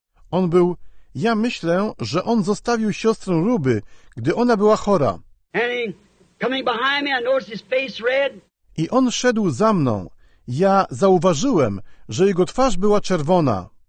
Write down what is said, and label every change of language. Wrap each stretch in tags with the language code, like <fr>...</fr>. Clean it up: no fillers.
<pl>On był, ja myślę, że on zostawił siostrę Ruby, gdy ona była chora.</pl> <en>And coming behind me, I noticed his face red.</en> <pl>I on szedł za mną. Ja zauważyłem, że jego twarz była czerwona.</pl>